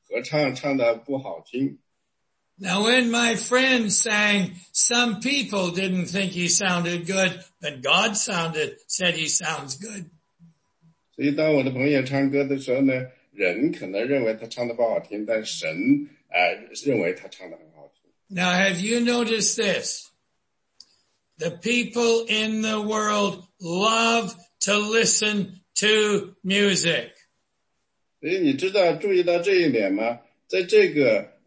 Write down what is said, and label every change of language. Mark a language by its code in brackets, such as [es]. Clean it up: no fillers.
[zh] 他说你唱歌唱得非常难听，所以呢，你在那个乐合唱队里的时候呢，当我们唱的时候，你只是动嘴巴微笑，你不要出声，因为你那个让我们的合唱唱得不好听。 [en] Now when my friend sang, some people didn't think he sounded good, but God said he sounds good. [zh] 所以当我的朋友唱歌的时候呢，人可能认为他唱得不好听，但神认为他唱得很好听。 [en] Now have you noticed this? The people in the world love to listen to music. [zh] 所以你知道注意到这一点吗？在这个